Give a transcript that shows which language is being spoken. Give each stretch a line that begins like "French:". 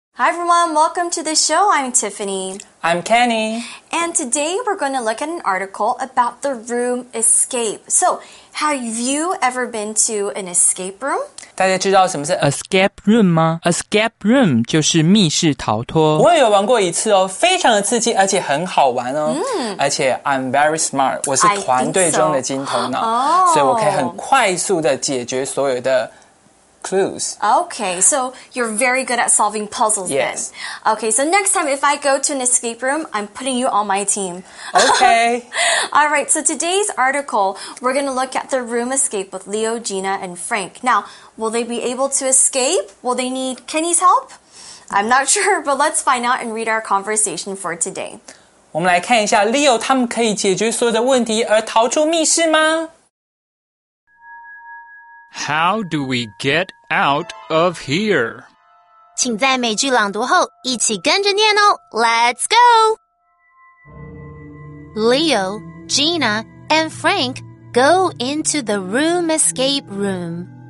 English: Hi everyone, welcome to the show. I'm Tiffany. I'm Kenny. And today we're going to look at an article about the room escape. So, have you ever been to an escape room?
Chinese: 大家知道什么是 escape room 吗？ Escape room 就是密室逃脱。我也有玩过一次哦，非常的刺激，而且很好玩哦。而且
English: I'm very smart,
Chinese: 我是团队中的金头脑，所以我可以很快速的解决所有的clues.
English: Okay, so you're very good at solving puzzles yes. then. Okay, so next time if I go to an escape room, I'm putting you on my team. Okay. Alright, so today's article, we're going to look at the room escape with Leo, Gina, and Frank. Now, will they be able to escape? Will they need Kenny's help? I'm not sure, but let's find out and read our conversation for today.
Chinese: 我们来看一下 Leo 他们可以解决所有的问题而逃出密室吗？
English: How do we get out of here?
Chinese: 请在每句朗读后一起跟着念哦。
English: Let's go! Leo, Gina, and Frank go into the room escape room.